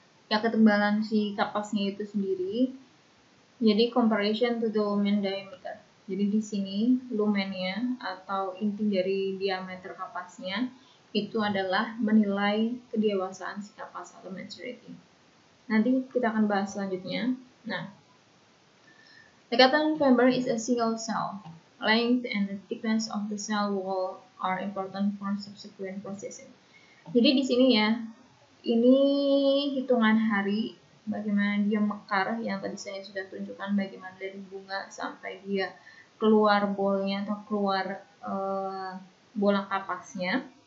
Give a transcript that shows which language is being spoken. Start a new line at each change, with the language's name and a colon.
Indonesian: Ya ketebalan si kapasnya itu sendiri. Jadi
English: comparison to the lumen diameter.
Indonesian: Jadi di sini lumennya atau inti dari diameter kapasnya itu adalah menilai kedewasaan si kapas atau maturity. Nanti kita akan bahas selanjutnya.
English: Nah, the cotton fiber is a single cell. Length and the thickness of the cell wall are important for subsequent processing.
Indonesian: Jadi di sini ya, ini hitungan hari bagaimana dia mekar yang tadi saya sudah tunjukkan bagaimana dari bunga sampai dia keluar bolnya atau keluar bola kapasnya.